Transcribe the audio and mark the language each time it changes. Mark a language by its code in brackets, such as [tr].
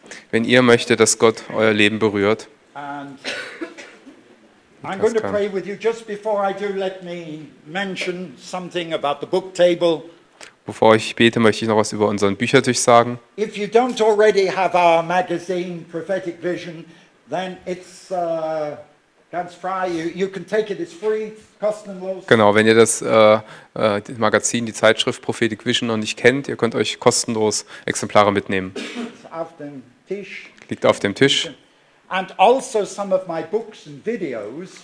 [de] Wenn ihr möchtet, dass Gott euer Leben berührt, [en] and I'm going to pray with you just before I do, let me mention something about the book table. [de] Bevor ich bete, möchte ich noch was über unseren Büchertisch sagen. [en] If you don't already have our magazine, Prophetic Vision, then it's [de] ganz frei. [en] You can take it, it's free, kostenlos. [de] Genau, wenn ihr das Magazin, die Zeitschrift Prophetic Vision noch nicht kennt, ihr könnt euch kostenlos Exemplare mitnehmen. It's auf dem Tisch. Liegt auf dem Tisch. [en] And also some of my books and videos.